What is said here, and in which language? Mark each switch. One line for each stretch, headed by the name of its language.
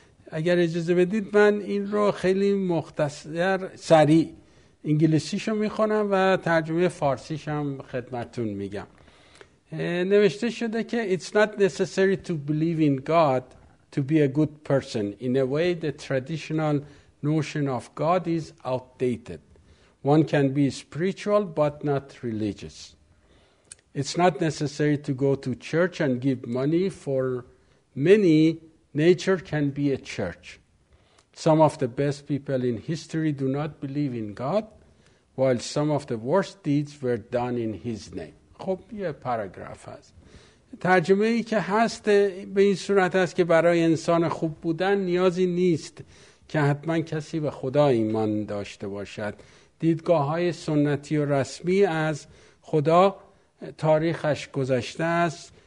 Persian: اگر اجازه بدید من این رو خیلی مختصر سریع انگلیسیشو میخونم و ترجمه فارسیش هم خدمتون میگم. نوشته شده که
English: It's not necessary to believe in God to be a good person. In a way, the traditional notion of God is outdated. One can be spiritual but not religious. It's not necessary to go to church and give money for many. Nature can be a church. Some of the best people in history do not believe in God, while some of the worst deeds were done in his name.
Persian: خب یه پاراگراف هست. ترجمه ای که هست به این صورت هست که برای انسان خوب بودن نیازی نیست که حتما کسی به خدا ایمان داشته باشد. دیدگاه های سنتی و رسمی از خدا تاریخش گذشته است.